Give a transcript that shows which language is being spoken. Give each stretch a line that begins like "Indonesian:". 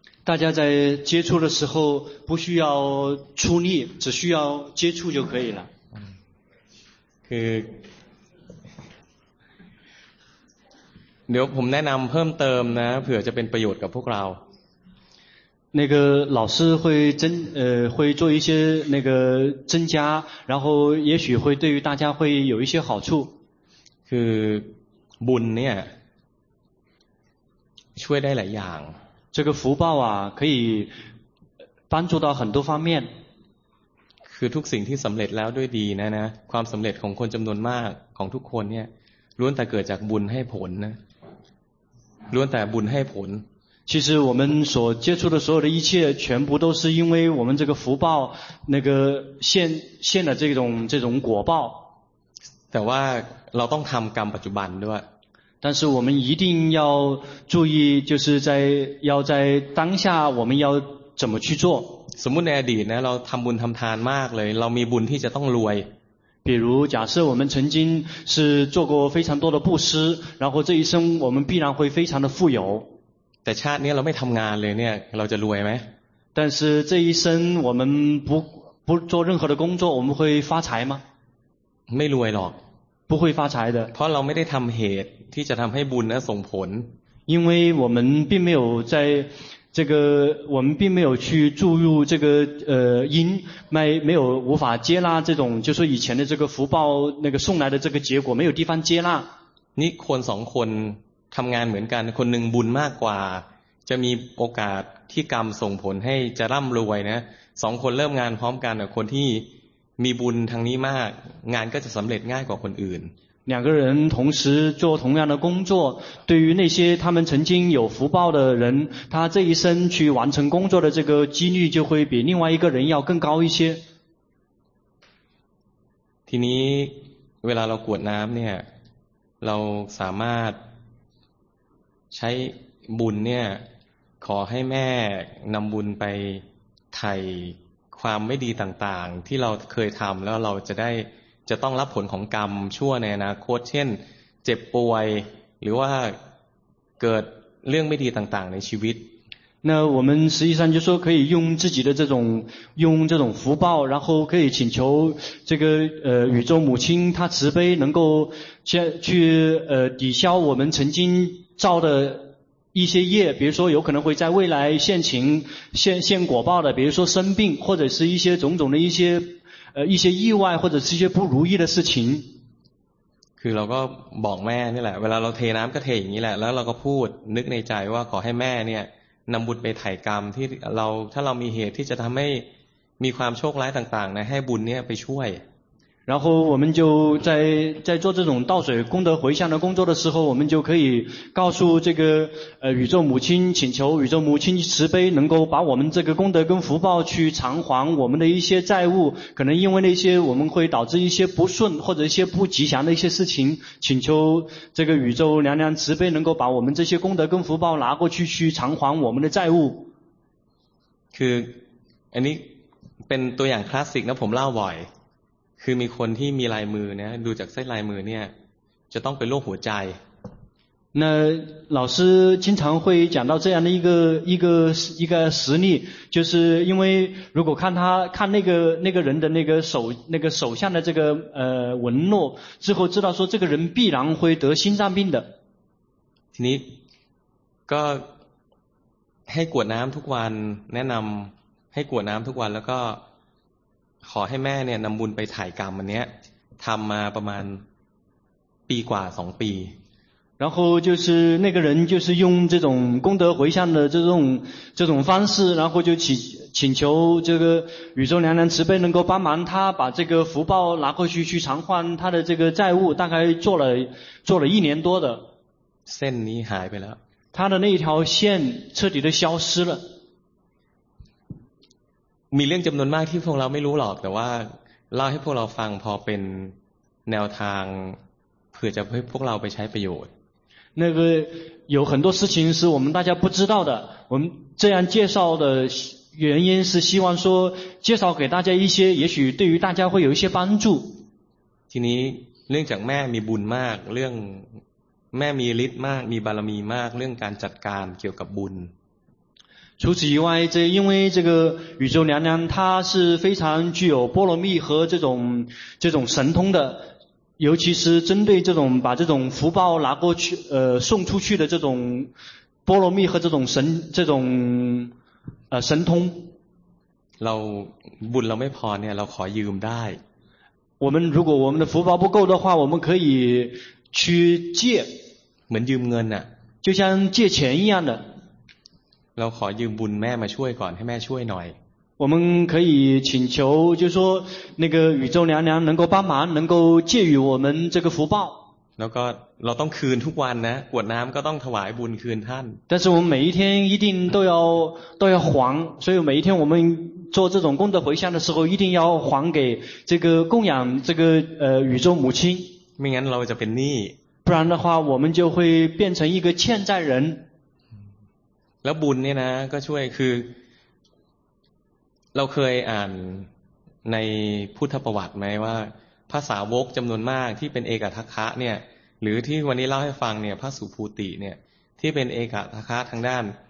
Chinese: 大家在接触的时候不需要出力只需要接触就可以了
Thai: คือเดี๋ยวผมแนะนำเพิ่มเติมนะเผื่อจะเป็นประโยชน์กับพวกเรา
Chinese: 那个老师会增会做一些那个增加然后也许会对于大家会有一些好处
Thai: คือบุญเนี่ยช่วยได้หลายอย่าง
Chinese: 这个福报啊可以帮助到很多方面
Thai: คือทุกสิ่งที่สำเร็จแล้วด้วยดีนะความสำเร็จของคนจำนวนมากของทุกคนเนี่ยล้วนแต่เกิดจากบุญให้ผลนะล้วนแต่บุญให้ผล
Chinese: 其实我们所接触的所有的一切全部都是因为我们这个福报那个现的这种果报
Thai: แต่ว่าเราต้องทำกรรมปัจจุบันด้วย
Chinese: 但是我们一定要注意就是在要在当下我们要怎么去做
Thai: สมมุติในอดีตนะเราทําบุญทําทานมากเลยเรามีบุญที่จะต้องรวย
Chinese: 比如假设我们曾经是做过非常多的布施然后这一生我们必然会非常的富有
Thai: แต่ชาตินี้เราไม่ทํางานเลยเนี่ยเราจะรวยมั้ย
Chinese: 但是这一生我们不做任何的工作我们会发财吗
Thai: ไม่รวยหรอก
Chinese: 不会发财的
Thai: เพราะเราไม่ได้ทําเหตุที่จะทำให้บุญนั้นส่งผล
Chinese: 因为我们并没有在这个我们并没有去注入这个因没有无法接纳这种就是以前的这个福报那个送来的这个结果没有地方接纳
Thai: นี่คนสองคนทำงานเหมือนกันคนหนึ่งบุญมากกว่าจะมีโอกาสที่กรรมส่งผลให้จะร่ำรวยนะสองคนเริ่มงานพร้อมกันคนที่มีบุญทางนี้มากงานก็จะสำเร็จง่ายกว่าคนอื่น
Chinese: 两个人同时做同样的工作对于那些他们曾经有福报的人他这一生去完成工作的这个几率就会比另外一个人要更高一些
Thai: ทีนี้เวลาเรากวดน้ำเนี่ยเราสามารถใช้บุญเนี่ยขอให้แม่นำบุญไปไถ่ความไม่ดีต่างๆที่เราเคยทำแล้วเราจะได้จะต้องรับผลของกรรมชั่วในอนาคตเช่นเจ็บป่วยหรือว่าเกิดเรื่องไม่ดีต่างๆในชีวิต
Chinese: 那我们实际上就说可以用自己的这种福报然后可以请求这个宇宙母亲她慈悲能够去抵消我们曾经造的一些业比如说有可能会在未来现果报的比如说生病或者是一些种种的一些意外或者是一些不如意的事情
Thai: คือเราก็บอกแม่นี่แหละเวลาเราเทน้ำก็เทอย่างนี้แหละแล้วเราก็พูดนึกในใจว่าขอให้แม่เนี่ยนำบุญไปไถ่กรรมที่เราถ้าเรามีเหตุที่จะทำให้มีความโชคร้ายต่างๆนะให้บุญเนี่ยไปช่วย
Chinese: 然后我们就在做这种倒水功德回向的工作的时候我们就可以告诉这个宇宙母亲请求宇宙母亲慈悲能够把我们这个功德跟福报去偿还我们的一些债务可能因为那些我们会导致一些不顺或者一些不吉祥的一些事情请求这个宇宙娘娘慈悲能够把我们这些功德跟福报拿过去偿还我们的债务
Thai: คืออันนี้เป็นตัวอย่างคลาสสิกนะผมเล่าบ่อย คือมีคนที่มีลายมือนะดูจากเส้นลายมือเนี่ยจะต้องเป็นโรคหัวใจ
Chinese: 那老师经常会讲到这样的一个实例就是因为如果看他看那个人的那个手相的这个纹络之后知道说这个人必然会得心脏病的
Thai: ทีนี้ก็ให้กวดน้ำทุกวันแนะนำให้กวดน้ำทุกวันแล้วก็ขอให้แม่เนี่ยนำบุญไปถ่ายกรรมอันเนี้ยทำมาประมาณปีกว่าสองปี
Chinese: 然后就是那个人就是用这种功德回向的这种方式然后就请求这个宇宙娘娘慈悲能够帮忙他把这个福报拿过去偿还他的这个债务大概做了一年多的
Thai: เส้นนี้หายไปแล้ว
Chinese: 他的那条线彻底的消失了
Thai: มีเรื่องจำนวนมากที่พวกเราไม่รู้หรอกแต่ว่าเล่าให้พวกเราฟังพอเป็นแนวทางเผื่อจะให้พวกเราไปใช้ประโยชน์
Chinese: 那个有很多事情是我们大家不知道的我们这样介绍的原因是希望说介绍给大家一些也许对于大家会有一些帮助
Thai: ทีนี้เรื่องจากแม่มีบุญมากเรื่องแม่มีฤทธิ์มากมีบารมีมากเรื่องการจัดการเกี่ยวกับบุญ
Chinese: 除此以外这因为这个宇宙娘娘她是非常具有波罗蜜和这种神通的尤其是针对这种把这种福报拿过去送出去的这种波罗蜜和这种神通
Thai: เราบุญเราไม่พอเนี่ยเราขอยืมได้
Chinese: 我们如果我们的福报不够的话我们可以去借
Thai: เหมือนยืมเงินอ่ะ
Chinese: 就像借钱一样的
Thai: เราขอยืมบุญแม่มาช่วยก่อนให้แม่ช่วยหน่อย
Chinese: 我们可以请求就是说那个宇宙娘娘能够帮忙能够借予我们这个福报
Thai: แล้วก็เราต้องคืนทุกวันนะกวดน้ำก็ต้องถวายบุญคืนท่าน
Chinese: 但是我们每一天一定都要还所以每一天我们做这种功德回向的时候一定要还给这个供养这个宇宙母亲
Thai: ไม่งั้นเราจะเป็นหนี้
Chinese: 不然的话我们就会变成一个欠债人
Thai: แล้วบุญเนี่ยนะก็ช่วยคือเราเคยอ่านในพุทธประวัติไหมว่าพระสาวกจำนวนมากที่เป็นเอกทัคคะเนี่ยหรือที่วันนี้เล่าให้ฟังเนี่ยพระสุภูติเนี่ยที่เป็นเอกทัคคะทางด้าน